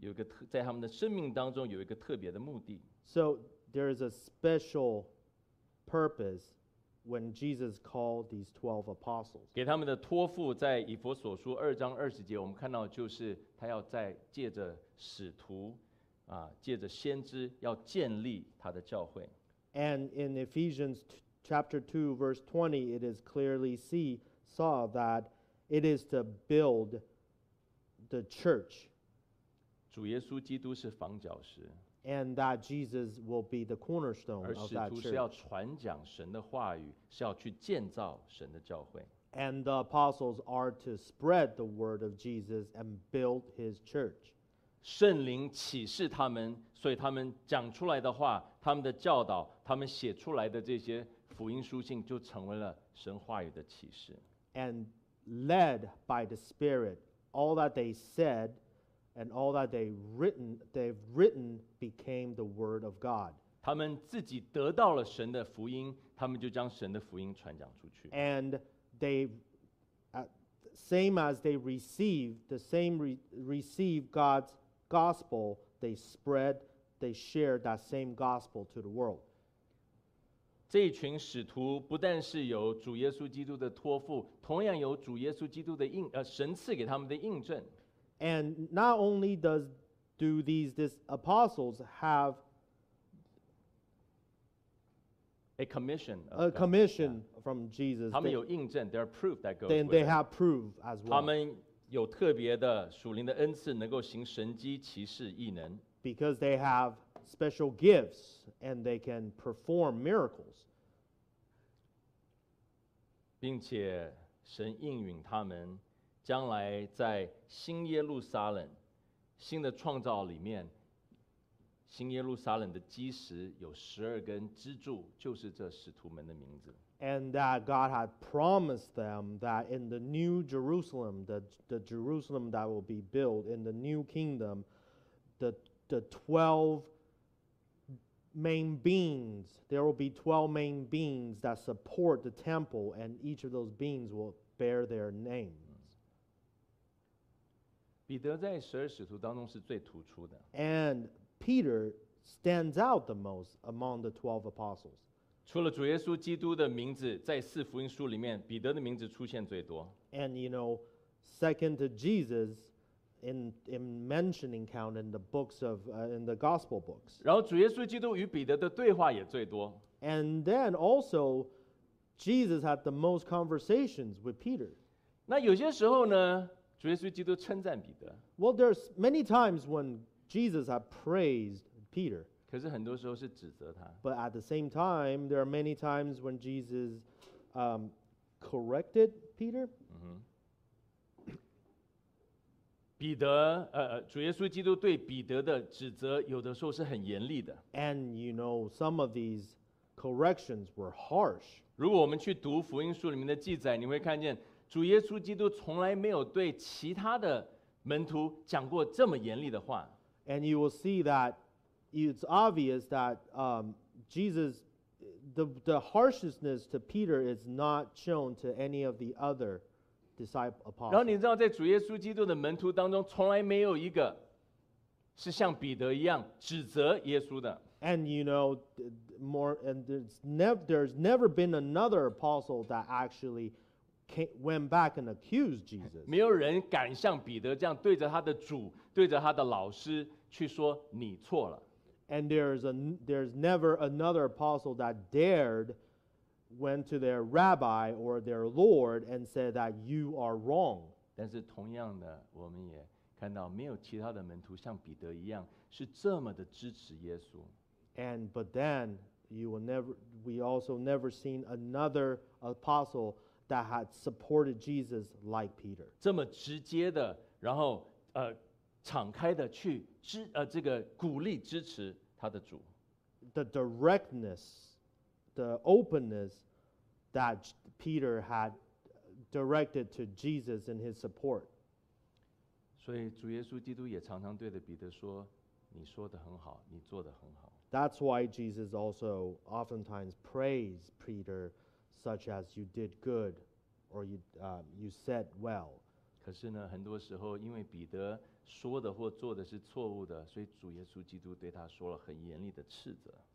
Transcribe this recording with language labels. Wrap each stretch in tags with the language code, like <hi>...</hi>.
<zh>主耶稣基督对彼得和这群使徒的呼召，有一个在他们的生命当中有一个特别的目的。</zh> <en>So there is a special purpose when Jesus called these 12 apostles.</en> <zh>给他们的托付在以弗所书2章20节，我们看到就是他要在借着使徒，借着先知要建立他的教会。</zh> <en>And in Ephesians chapter 2, verse 20, it is clearly saw that it is to build the church.</en> <zh>主耶稣基督是房角石。</zh> <en>And that Jesus will be the cornerstone of that church.</en> <zh>而使徒是要传讲神的话语，是要去建造神的教会。</zh> <en>And the apostles are to spread the word of Jesus and build his church.</en> <zh>圣灵启示他们，所以他们讲出来的话，他们的教导，他们写出来的这些福音书信，就成为了神话语的启示。</zh> <en>And led by the Spirit, all that they said and all that they've written became the word of God.</en> <zh>他们自己得到了神的福音，他们就将神的福音传讲出去。</zh> <en>And they, same as they received, the same received God's gospel, they spread, they shared that same gospel to the world.</en> <zh>这群使徒不但是有主耶稣基督的托付，同样有主耶稣基督的印，神赐给他们的印证。</zh> <en>And not only do these apostles have a commission from Jesus.</en> <zh>他们有印证,</zh> <en>there are proof that goes with it. They have proof as well.</en> <zh>他们有特别的属灵的恩赐，能够行神迹奇事异能。</zh> <en>Because they have special gifts and they can perform miracles.</en> <zh>并且神应允他们将来在新耶路撒冷新的创造里面，新耶路撒冷的基石有十二根支柱，就是这使徒们的名字。</zh> <en>And that God had promised them that in the new Jerusalem, the Jerusalem that will be built in the new kingdom, the 12 main beams, there will be 12 main beams that support the temple, and each of those beams will bear their name.</en> <zh>彼得在十二使徒当中是最突出的。</zh> <en>And Peter stands out the most among the 12 apostles.</en> <zh>除了主耶稣基督的名字，在四福音书里面，彼得的名字出现最多。</zh> <en>And you know, second to Jesus, in mentioning count in the books of, in the gospel books.</en> <zh>然后主耶稣基督与彼得的对话也最多。</zh> <en>And then also, Jesus had the most conversations with Peter.</en> <zh>那有些时候呢？主耶稣基督称赞彼得。</zh> <en>Well, there's many times when Jesus had praised Peter.</en> <zh>可是很多时候是指责他。</zh> <en>But at the same time, there are many times when Jesus, corrected Peter. 嗯哼。</en> <zh>彼得，主耶稣基督对彼得的指责有的时候是很严厉的。</zh> <en>And you know, some of these corrections were harsh.</en> <zh>如果我们去读福音书里面的记载，你会看见。主耶稣基督从来没有对其他的门徒讲过这么严厉的话。</zh> <en>And you will see that it's obvious that Jesus, the harshness to Peter is not shown to any of the other disciples.</en> <zh>然后你知道，在主耶稣基督的门徒当中，从来没有一个是像彼得一样指责耶稣的。</zh> <en>And you know, there's never been another apostle that actually. Went back and accused Jesus.</en> <zh>没有人敢像彼得这样对着他的主，对着他的老师去说你错了。</zh> <en>And there's never another apostle that dared went to their rabbi or their lord and said that you are wrong.</en> <zh>但是同样的，我们也看到没有其他的门徒像彼得一样是这么的支持耶稣。</zh> <en>And but then we also never seen another apostle. That had supported Jesus like Peter.</en> <zh>这么直接的，然后敞开的去这个鼓励支持他的主。</zh> <en>The directness, the openness that Peter had directed to Jesus in his support.</en> <zh>所以主耶稣基督也常常对着彼得说：“你说的很好，你做的很好。”</zh> <en>That's why Jesus also oftentimes praised Peter, such as "You did good." Or you said well.</en> <zh>可是呢，很多时候因为彼得说的或做的是错误的，所以主耶稣基督对他说了很严厉的斥责。</zh>